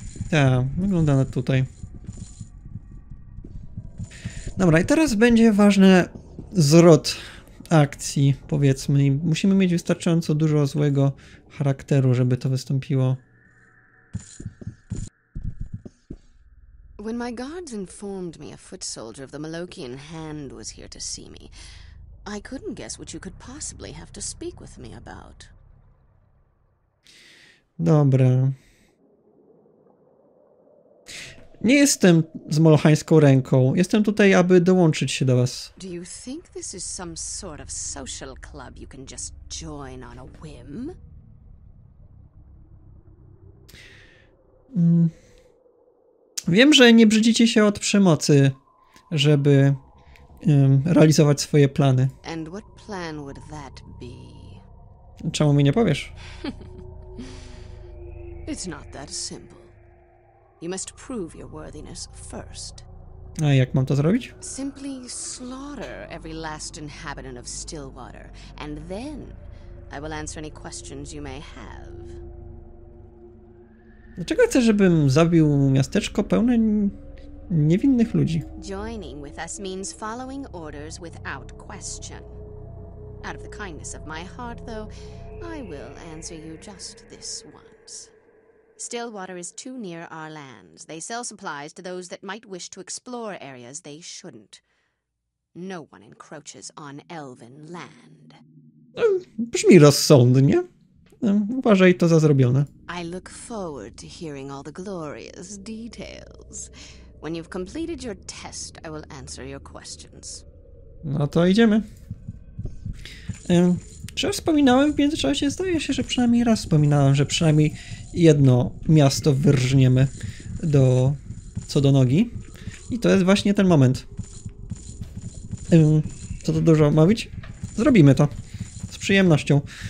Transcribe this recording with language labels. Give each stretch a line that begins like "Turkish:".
Polish: Tak, wygląda na tutaj. Dobra, i teraz będzie ważny zwrot akcji, powiedzmy. I musimy mieć wystarczająco dużo złego charakteru, żeby to wystąpiło.
English: When my guards informed me a foot soldier of the Malokian Hand was here to see me, I couldn't guess what you could possibly have to speak with me about.
Polish: Dobra. Nie jestem z molochańską ręką. Jestem tutaj, aby dołączyć się do was.
English: Do you think this is some sort of social club you can just join on a whim?
Polish: Wiem, że nie brzydzicie się od przemocy, żeby realizować swoje plany.
English: And what plan would that be?
Polish: Czemu mi nie powiesz?
English: It's not that simple. You must prove your worthiness first.
Polish: A jak mam to zrobić?
English: Simply slaughter every last inhabitant of Stillwater, and then I will answer any questions you may have.
Polish: Dlaczego chcesz, żebym zabił miasteczko pełne niewinnych ludzi?
English: Joining with us means following orders without question. Out of the kindness of my heart, though, I will answer you just this once. Stillwater is too near our lands. They sell supplies to those that might wish to explore areas they shouldn't. No one encroaches on elven land.
Polish: Brzmi rozsądnie. Uważaj to za zrobione.
English: I look forward to hearing all the glorious details. When you've completed your test, I will answer your questions.
Polish: No to idziemy. Czy wspominałem w międzyczasie? Zdaje się, że przynajmniej raz wspominałem, że przynajmniej jedno miasto wyrżniemy do co do nogi. I to jest właśnie ten moment. Co to dużo mówić? Zrobimy to. Z przyjemnością.